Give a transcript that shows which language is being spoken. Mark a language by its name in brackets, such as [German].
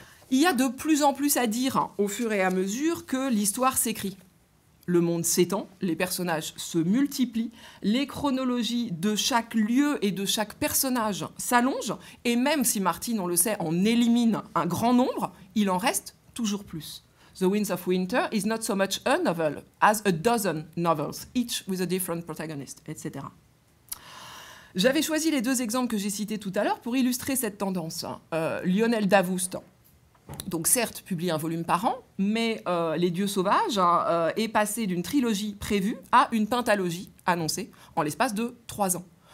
[French] Il y a de plus en plus à dire au fur et à mesure que l'histoire s'écrit. Le monde s'étend, les personnages se multiplient, les chronologies de chaque lieu et de chaque personnage s'allongent, et même si Martin, on le sait, en élimine un grand nombre, il en reste toujours plus. [English] The Winds of Winter is not so much a novel as a dozen novels, each with a different protagonist, etc. [French] J'avais choisi les deux exemples que j'ai cités tout à l'heure pour illustrer cette tendance. Lionel Davoust, donc certes, publie un volume par an, mais Les Dieux Sauvages est passé d'une trilogie prévue à une pentalogie annoncée en l'espace de 3 ans.